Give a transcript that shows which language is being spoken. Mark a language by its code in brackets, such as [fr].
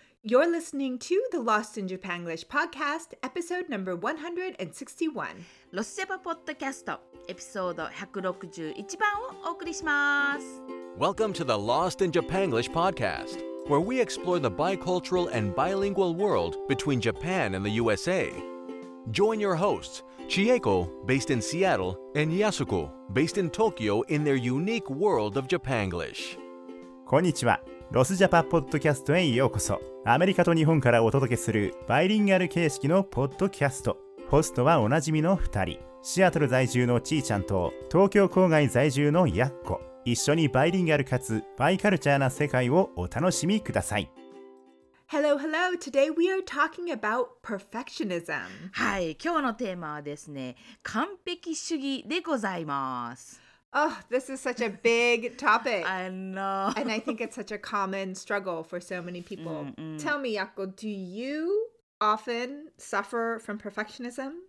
[en] You're listening to the Lost in Japanglish podcast, episode number 161. [ja] ロスジャパポッドキャスト、エピソード161番をお送りします。 [en] Welcome to the Lost in Japanglish podcast, where we explore the bicultural and bilingual world between Japan and the USA. Join your hosts, Chieko, based in Seattle, and Yasuko, based in Tokyo, in their unique world of Japanglish. [ja] こんにちは。ロスジャパポッドキャストへようこそ。アメリカと日本からお届けするバイリンガル形式のポッドキャスト。ホストはおなじみの2人、シアトル在住のちーちゃんと東京郊外在住のやっこ。一緒にバイリンガルかつバイカルチャーな世界をお楽しみください。 [en] Hello, hello. Today we are talking about perfectionism. [ja] はい、今日のテーマはですね、完璧主義でございます。 [en] Oh, this is such a big topic. I know. And I think it's such a common struggle for so many people. Tell me, Yako, do you often suffer from perfectionism?